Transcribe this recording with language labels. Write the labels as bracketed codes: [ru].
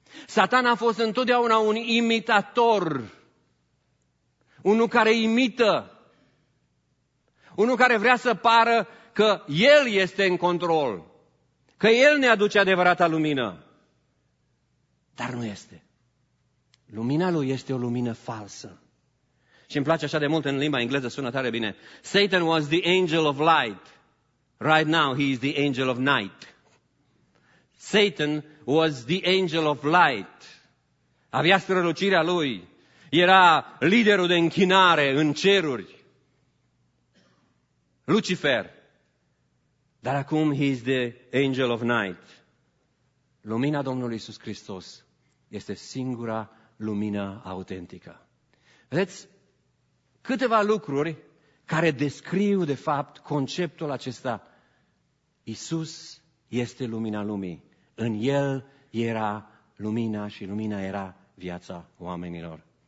[ro] Satan a fost întotdeauna un imitator, unul care imită, unul care vrea să pară că El este în control, că El ne aduce adevărata lumină. Dar nu este. Lumina lui este o lumină falsă. Și îmi place așa de mult în limba engleză, sună tare bine. [en] Satan was the angel of light. Right now he is the angel of night. Satan was the angel of light. [ro] Avea strălucirea lui. Era liderul de închinare în ceruri. Lucifer. Dar acum [en] he is the angel of night. [ro] Lumina Domnului Iisus Hristos este singura lumină autentică. Vedeți? Câteva lucruri care descriu, de fapt, conceptul acesta. Iisus este lumina lumii. În El era lumina și lumina era viața oamenilor.